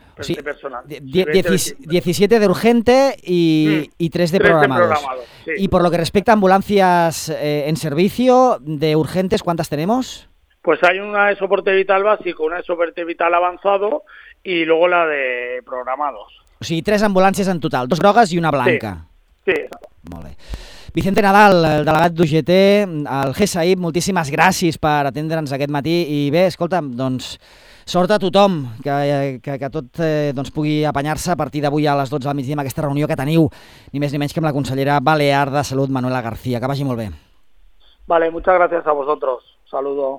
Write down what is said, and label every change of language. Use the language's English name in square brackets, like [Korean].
[Spanish] Sí, 17 de urgente y 3 de programados. Sí. Y por lo que respecta a ambulancias en servicio de urgentes, ¿cuántas tenemos? Pues hay una de soporte vital básico, una de soporte vital avanzado y luego la de programados. O sea, 3 ambulancias en total, 2 grogues y una blanca. Sí. [Catalan] Molt bé. Vicente Nadal, el delegat d'UGT, el GESAI, moltíssimes gràcies per atendre'ns aquest matí. I bé, escolta, doncs, sort a tothom, que tot doncs, pugui apanyar-se a partir d'avui a les 12 del migdia amb aquesta reunió que teniu, ni més ni menys que amb la consellera Balear de Salut, Manuela García. Que vagi molt bé. [Spanish] Vale, muchas gracias a vosotros. Saludo.